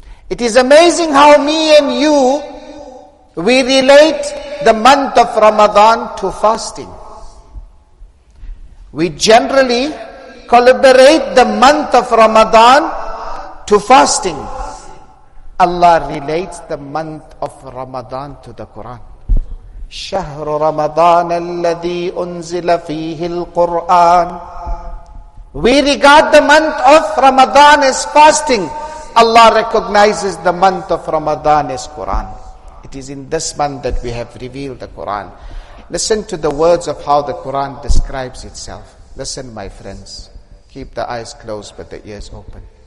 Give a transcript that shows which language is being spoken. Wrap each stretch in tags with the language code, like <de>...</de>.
<en>It is amazing how me and you, we relate the month of Ramadan to fasting. We generally collaborate the month of Ramadan to fasting. Allah relates the month of Ramadan to the Quran.</en> <ar>شهر رمضان الذي أنزل فيه القرآن.</ar> <en>We regard the month of Ramadan as fasting. Allah recognizes the month of Ramadan as Quran. It is in this month that we have revealed the Quran. Listen to the words of how the Quran describes itself. Listen, my friends. Keep the eyes closed, but the ears open.</en>